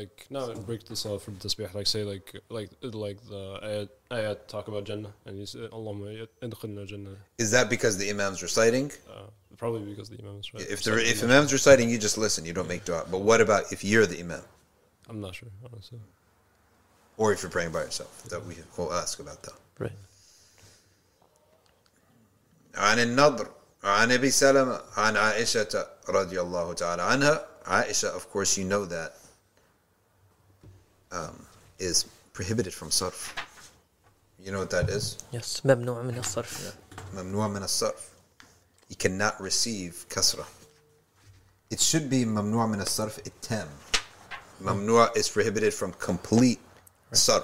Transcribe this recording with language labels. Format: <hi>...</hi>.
<en>Not break the salah for the tasbih, like say like the ayat talk about Jannah, and you say, Allahumma idkhilna Jannah. Is that because the imam's reciting? Probably because the imam's reciting. If the imam's reciting, you just listen, you don't make dua. But what about if you're the imam? I'm not sure, honestly. Or if you're praying by yourself, that we'll ask about that. Right. An al-Nadr.</en> <ar>عن أبي سلمة عن عائشة رضي الله تعالى عنها.</ar> <en>Aisha, of course, you know that is prohibited from sarf. You know what that is? Yes,</en> <ar>ممنوع من الصرف. ممنوع من الصرف.</ar> <en>You cannot receive</en> <ar>كسرة.</ar> <en>It should be</en> <ar>ممنوع من الصرف التام.</ar> <en>ممنوع is prohibited from complete sarf.</en>